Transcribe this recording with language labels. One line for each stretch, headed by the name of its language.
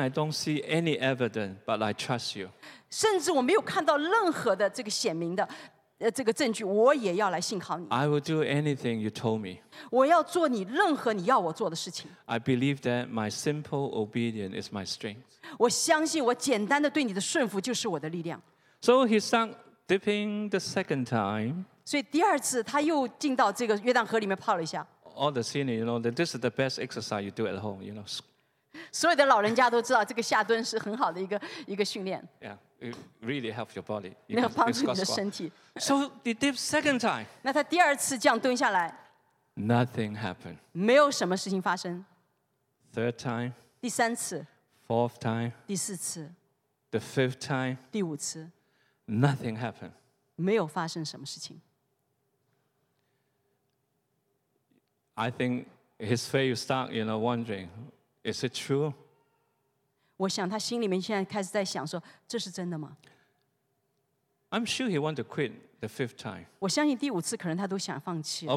English: I don't see any evidence, but I trust you.
Chinese: 甚至我没有看到任何的这个显明的这个证据，我也要来信靠你。
English: I will do anything you told me.
Chinese: 我要做你任何你要我做的事情。
English: I believe that my simple obedience is my strength.
Chinese: 我相信我简单的对你的顺服就是我的力量。
English: So he sunk dipping the second time.
Chinese: 所以第二次他又进到这个约旦河里面泡了一下。
English: All the senior, you know, that this is the best exercise you do at home, you know.
Chinese: 所有的老人家都知道这个下蹲是很好的一个训练。
English: Yeah. It really helps your body. It helps your body. So the dip second time.
Chinese: 那他第二次这样蹲下来,
English: nothing happened.
Chinese: 没有什么事情发生.
English: Third time.
Chinese: 第三次.
English: Fourth time.
Chinese: 第四次.
English: The fifth time.
Chinese: 第五次.
English: Nothing happened.
Chinese: 没有发生什么事情.
English: I think his face start, you know, wondering, is it true?
Chinese: 我想他心里面现在开始在想说，这是真的吗？
English: I'm sure he wanted to quit the fifth time.
Chinese: 我相信第五次可能他都想放弃了。